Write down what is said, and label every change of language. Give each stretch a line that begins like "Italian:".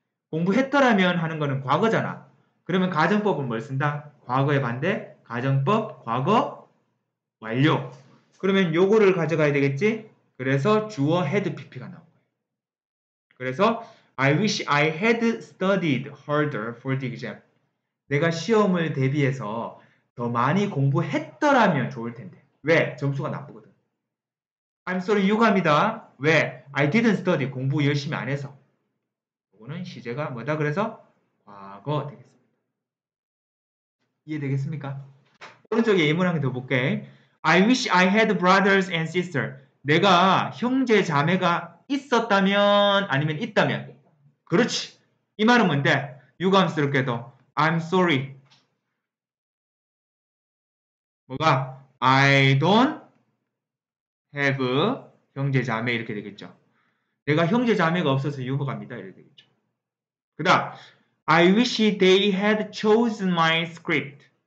Korean: 공부했더라면 하는 거는 과거잖아. 그러면 가정법은 뭘 쓴다? 과거의 반대, 가정법, 과거, 완료. 그러면 요거를 가져가야 되겠지? 그래서 주어 had pp가 나온 거예요. 그래서
English: I wish I had studied harder for the exam.
Korean: 내가 시험을 대비해서 더 많이 공부했더라면 좋을 텐데. 왜? 점수가 나쁘거든.
English: I'm sorry,
Korean: 유감이다. 왜?
English: I didn't study.
Korean: 공부 열심히 안 해서. 이거는 시제가 뭐다? 그래서 과거 되겠습니다. 이해되겠습니까? 오른쪽에 예문 한 개 더 볼게.
English: I wish I had brothers and sisters.
Korean: 내가 형제 자매가 있었다면 아니면 있다면. 그렇지. 이 말은 뭔데? 유감스럽게도
English: I'm sorry.
Korean: 뭐가?
English: I don't have
Korean: 형제자매 이렇게 되겠죠. 내가 형제자매가 없어서 유부갑니다. 이렇게 되겠죠.
English: 그 다음, I wish they had chosen my script.